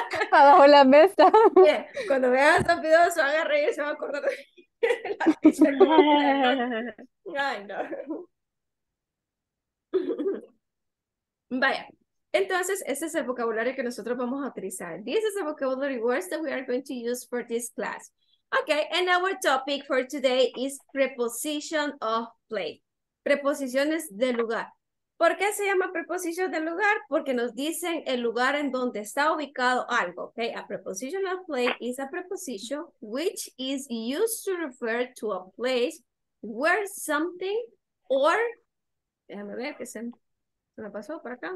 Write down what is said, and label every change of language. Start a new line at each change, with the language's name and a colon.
Spanish: abajo la mesa.
English: Yeah.
Spanish: Cuando veas a Sofía, se van a reír, se van a acordar de la Ay, no. Vaya, entonces ese es el vocabulario que nosotros vamos a utilizar.
English: This is the vocabulary words that we are going to use for this class. Okay, and our topic for today is preposition of place.
Spanish: Preposiciones de lugar. ¿Por qué se llama preposición de lugar? Porque nos dicen el lugar en donde está ubicado algo.
English: Okay, a preposition of place is a preposition which is used to refer to a place where something or déjame ver qué se me pasó por acá.